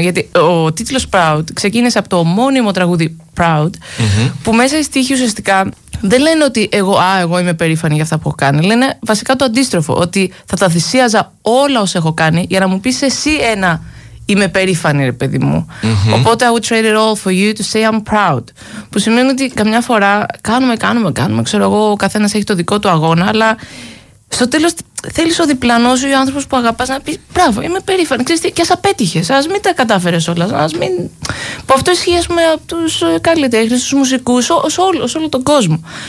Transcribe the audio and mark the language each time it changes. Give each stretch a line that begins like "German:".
Greek: Γιατί ο τίτλος Proud ξεκίνησε από το ομώνυμο τραγούδι Proud, mm-hmm. που μέσα στη στίχη ουσιαστικά δεν λένε ότι εγώ είμαι περήφανη για αυτά που έχω κάνει. Λένε βασικά το αντίστροφο, ότι θα τα θυσίαζα όλα όσα έχω κάνει για να μου πεις εσύ ένα είμαι περήφανη, ρε παιδί μου. Mm-hmm. Οπότε
English: I would trade it all for you to say I'm proud.
Greek: Που σημαίνει ότι καμιά φορά κάνουμε. Ξέρω εγώ, ο καθένας έχει το δικό του αγώνα, αλλά στο τέλος θέλεις ο διπλανός σου ή ο άνθρωπος που αγαπάς να πει μπράβο, είμαι περήφανη. Ξέρεις τι, και ας απέτυχες, ας μην τα κατάφερες όλα. Που αυτό ισχύει, ας πούμε, από τους καλλιτέχνες, τους μουσικούς, σε όλο τον κόσμο.